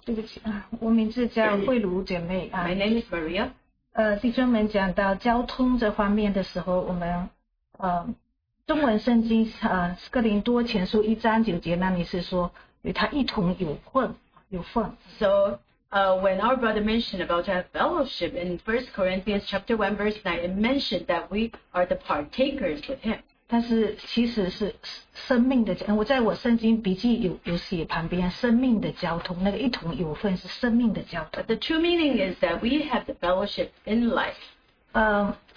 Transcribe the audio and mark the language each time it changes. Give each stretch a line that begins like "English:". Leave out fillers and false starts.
Chinese: 刚弟兄们讲，对不起，我名字叫慧茹姐妹。
English: My name is Maria.
Chinese: 弟兄们讲到交通这方面的时候，我们中文圣经《哥林多前书》一章九节那里是说与他一同有份。
English: So when our brother mentioned about to have fellowship in 1 Corinthians chapter 1 verse 9, it mentioned that we are the partakers with him.
Chinese: 但是其实是生命的，我在我圣经笔记有写旁边生命的交通，那个一同有份是生命的交通。
English: But the true meaning is that we have the fellowship in life.